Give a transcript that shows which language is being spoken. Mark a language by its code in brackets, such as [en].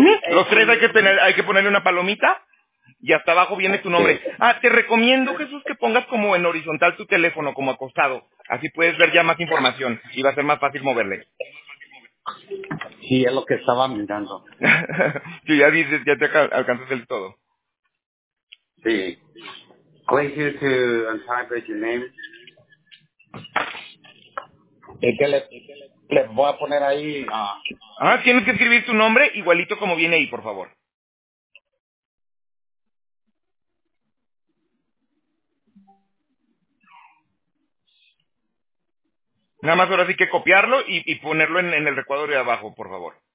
[es] Los tres hay que ponerle una palomita y hasta abajo viene tu nombre. Ah, te recomiendo, Jesús, que pongas como en horizontal tu teléfono, como acostado. Así puedes ver ya más información y va a ser más fácil moverle. Sí, es lo que estaba mirando. Sí, ya dices, ya te alcanzas el todo. Sí. [en] Click here to type your name. [es] ¿Y qué le voy a poner ahí? Ah, tienes que escribir tu nombre igualito como viene ahí, por favor. Nada más ahora sí que copiarlo y ponerlo en el recuadro de abajo, por favor.